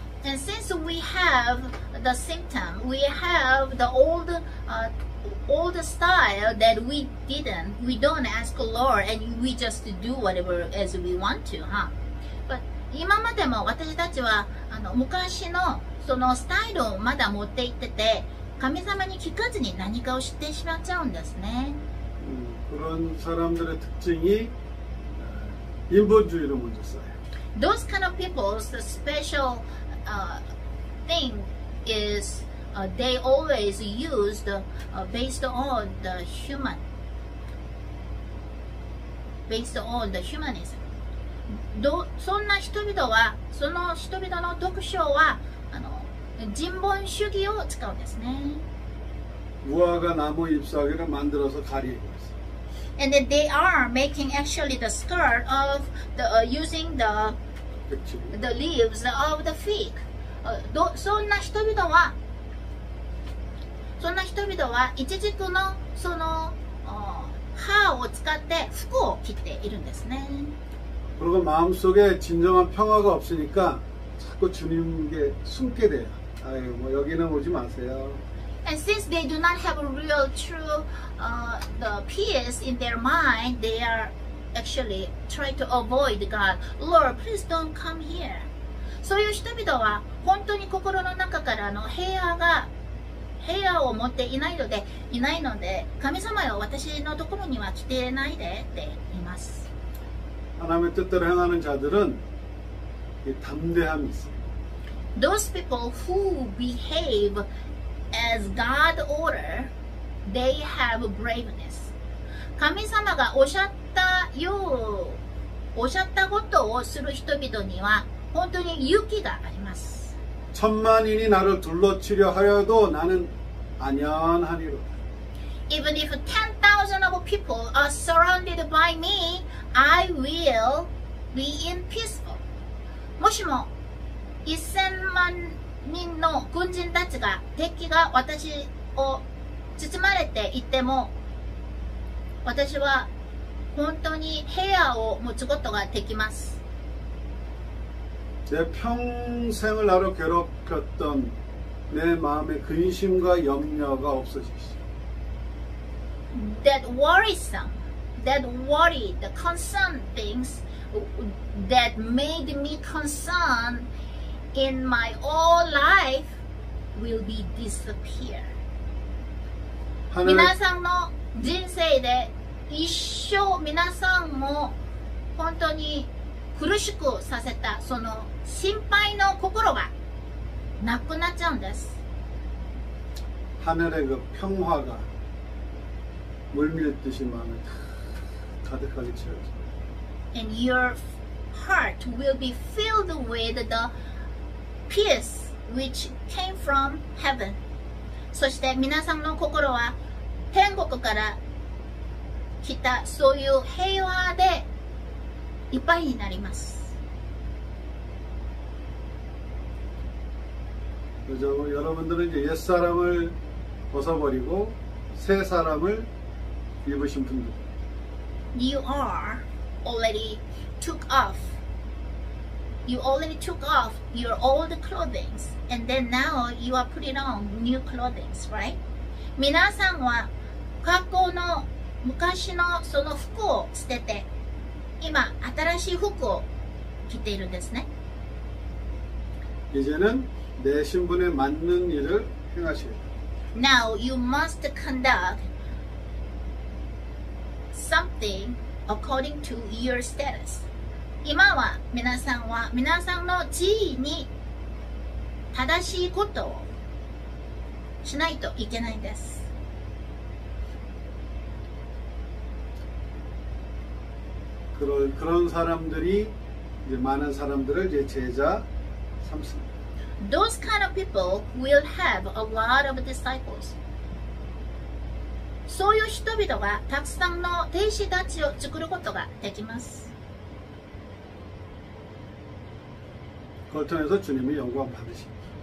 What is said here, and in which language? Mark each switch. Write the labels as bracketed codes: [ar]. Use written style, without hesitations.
[en] And since we have the symptom, we have the old style that we don't ask the Lord and we just do whatever as we want to, huh? [ja] But 今までも私たちは昔のそのスタイルをまだ持っていってて神様に聞かずに何かを知ってしまっちゃうんですね。 [ko] 그런사람들의특징이인본주의로먼저써요 [en] Those kind of people's special thing is they always used based on the human, based on the humanism. [ja] そんな人々は、その人々の特徴は、人本主義を使うんですね。 [ko] 무화과나무잎사귀를만들어서가리고 [en] And then they are making actually the skirt of the using the leaves of the fig. [ja] そんな人々は。そんな人々はイチジクのその歯を使って服を着ているんですね。 [ko] 그리고마음속에진정한평화가없으니까자꾸주님께숨게돼요아유뭐여기는오지마세요 [en] And since they do not have a real true the peace in their mind, they are actually trying to avoid God. Lord, please don't come here. [ja] そういう人々は本当に心の中からの平和が平和を持っていないので、神様よ、私のところには来ていないでって言います。 [ko] 하나님의뜻대로행하는자들은담대함이있어요。 [en] Those people who behave as God order, they have braveness. [ja] 神様がおっしゃったことをする人々には本当に勇気があります。 [ko] 천만인이나를둘러치려하여도나는안연하리로 [en] Even if 10,000 of people are surrounded by me, I will be in peaceful. [ja] 모시모 10,000 の [ko] 군인 [ja] たちが敵が私を包まれていても私は本当に平和を持つことができます [ko] 내평생을나로괴롭혔던내마음의근심과염려가없어지시오 [en] That worrisome, that worry, the concern things that made me concerned in my whole life will be disappear. [ja] 皆さんの人生で一生皆さんも本当に苦しくさせたその心配の心がなくなっちゃうんです [ko] 하늘의그평화가물밀듯이마음에가득하게채워져 [en] And your heart will be filled with the peace which came from heaven. [ja] そして皆さんの心は天国から来たそういう平和でいっぱいになります。 [ko] 여러분들은이제옛사람을벗어버리고새사람을입으신분들 [en] You are already took off. You already took off your old clothing and then now you are putting on new clothing, right? [ja] 皆さんは過去の昔のその服を捨てて今新しい服を着ているんですね。 [ko] 이제는내신분에맞는일을행하셔야합니다. [en] Now you must conduct something according to your status. [ja] 今は皆さんは皆さんの地位に正しいことをしないといけないんです。 [ko] 그런사람들이이제많은사람들을이제제자삼습니다 [en] Those kind of people will have a lot of disciples. [ja] そういう人々がたくさんの弟子たちを作ることができます。 [ko] 그걸통해서주님이영광받으십니다